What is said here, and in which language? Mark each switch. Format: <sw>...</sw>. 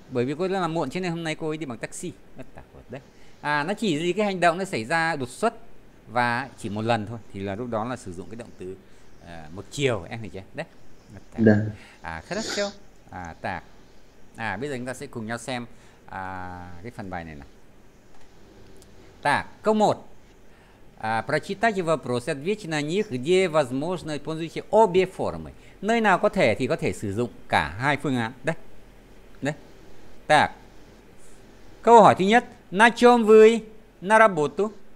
<vi>Bởi vì cô ấy đi làm muộn, cho nên hôm nay cô ấy đi bằng taxi. Đấy. À, nó chỉ gì cái hành động nó xảy ra đột xuất và chỉ một lần thôi, thì là lúc đó là sử dụng cái động từ một chiều, em hiểu chưa? Đấy. À, khá rất chưa? À, tạc. À bây giờ chúng ta sẽ cùng nhau xem cái phần bài này nào. Так, câu 1.</vi> <ru>À, прочитайте вопрос, ответьте на них, где возможно, используйте обе формы.</ru> <vi>Nơi nào có thể thì có thể sử dụng cả hai phương án. Đấy. Đấy. Так. Câu hỏi thứ nhất,</vi> <ru>на чём вы на работу?</ru>